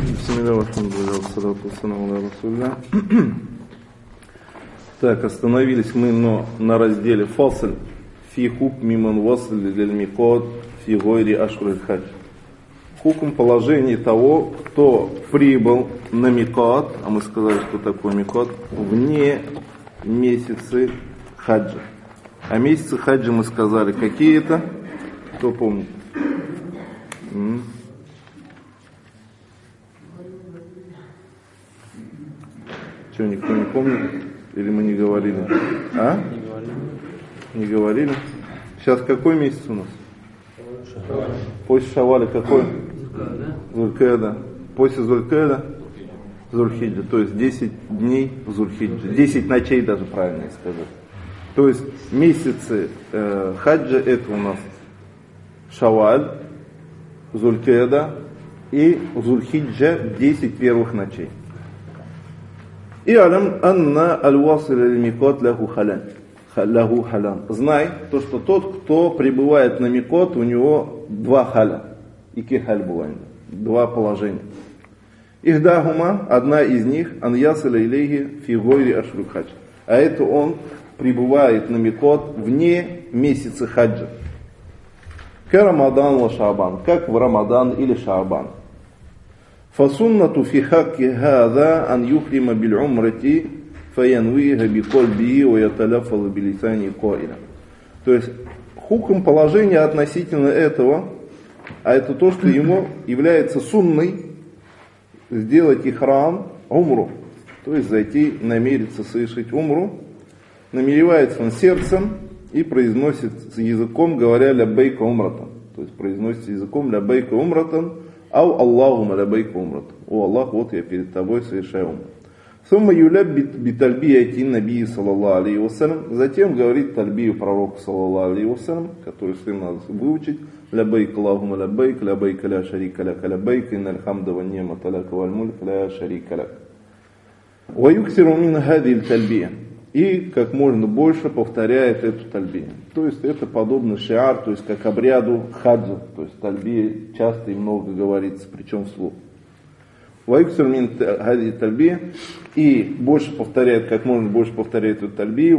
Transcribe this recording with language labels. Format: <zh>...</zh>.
<ar>بسم الله والحمد لله والصلاة والسلام على رسول الله.</ar> <ru>Так, остановились мы на разделе</ru> <ar>фасл фи хукм мин васл лиль миқат фи гойри ашхуриль хадж.</ar> <ru>Хукм — положение того, кто прибыл на миқат, а мы сказали, что такое миқат, вне месяцы хаджа. А месяцы хаджа мы сказали, какие это? Кто помнит? Что, никто не помнит? Или мы не говорили? А? Не говорили. Не говорили? Сейчас какой месяц у нас? Шаваль. После Шаваля какой? Зулькаада. После Зулькаада? Зульхиджа. То есть 10 дней Зульхиджа. 10 ночей даже, правильно сказать. То есть месяцы хаджа — это у нас Шаваль, Зулькаада и Зульхиджа — 10 первых ночей.</ru> <ar>اعلم ان الواصل للميقات له حلال له حلال.</ar> <ru>Знай, то что тот, кто прибывает на Миқат, у него два халя.</ru> <tt>Ики халь буванда.</tt> <ru>Два положения. Ихдахума — одна из них,</ru> <ar>ан ясаля илейхи фи гойри ашхуриль хадж.</ar> <ru>А это он прибывает на Миқат вне месяца хаджа.</ru> <ar>Ка Рамадан ва Шаабан.</ar> <ru>Как в Рамадан или Шаабан.</ru> <ar>فَسُنَّةُ فِي حَقِّ هَذَا أَنْ يُحْرِمَ بِالْعُمْرَةِ فَيَنْوِيهَ بِقَلْبِهِ وَيَتَلَفَّظُ بِلِسَانِهِ قَائِلًا.</ar> <ru>То есть хукм — положение относительно этого, а это то, что ему является сунной сделать ихрам, умру, то есть зайти, намериться совершить умру, намеревается он сердцем и произносит языком, говоря «ляббейка умратан», то есть произносит языком «ляббейка умратан»,</ru> <ar>أو اللهم لبيك عمرت و الله</ar> <ru>вот я перед тобой совершаю.</ru> <ar>ثم يلبي بتلبيه النبي صلى الله عليه وسلم.</ar> <ru>Затем говорит тальбию пророку صلى الله عليه وسلم, который всем надо выучить:</ru> <ar>لبيك اللهم لبيك لبيك لا شريك لك</ar> <ru>لبيك إن الحمد والنعمة لك والملك لا شريك لك.</ru> <ar>ويكثر من هذه التلبيه.</ar> <ru>И как можно больше повторяет эту тальбию. То есть это подобно шиар, то есть как обряду хаджа. То есть тальбия часто и много говорится, причем вслух.</ru> <ar>Ваюксер мин хади тальбия.</ar> <ru>И больше повторяет, как можно больше повторяет эту тальбию.</ru>